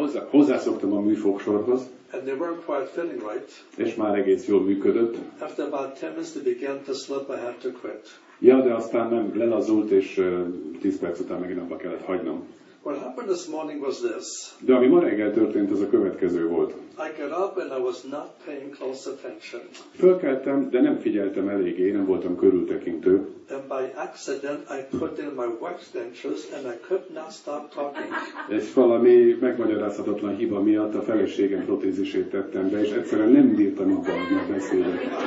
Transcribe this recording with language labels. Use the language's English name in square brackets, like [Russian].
[Hungarian] Hozzászoktam a műfogsorhoz. [English] And they weren't quite feeling right. [Hungarian] És már egész jól működött. [English] After about 10 minutes, they began to slip. I had to quit. [Hungarian] Ja, de aztán nem lelazult, és 10 perc után megint abba kellett hagynom. [English] What happened this morning was this. [Hungarian] De ami ma reggel történt, az a következő volt. [English] I got up and I was not paying close attention. [Hungarian] Fölkeltem, de nem figyeltem eléggé, nem voltam körültekintő. [English] And by accident I put in my wax dentures and I could not stop talking. [Hungarian] Ez valami megmagyarázhatatlan hiba miatt a feleségem protézisét tettem be, és egyszerűen nem bírtam abba adni a beszédet.